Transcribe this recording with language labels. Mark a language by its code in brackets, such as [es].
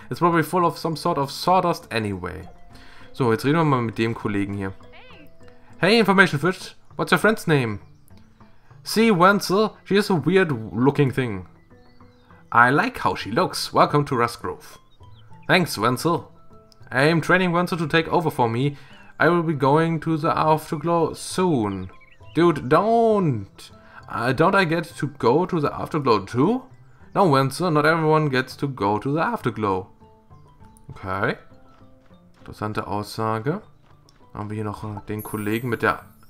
[en] It's probably full of some sort of sawdust anyway. [de] So, jetzt reden wir mal mit dem Kollegen hier. [en] Hey, Information Fish. What's your friend's name? See, Wenzel? She is a weird looking thing. I like how she looks. Welcome to Rustgrove. Thanks, Wenzel. I'm training Wenzel to take over for me. I will be going to the Afterglow soon. Dude, don't I get to go to the Afterglow too? No, Wenzel, not everyone gets to go to the Afterglow. [de] Okay. Interessante Aussage. Haben wir hier noch den Kollegen mit der...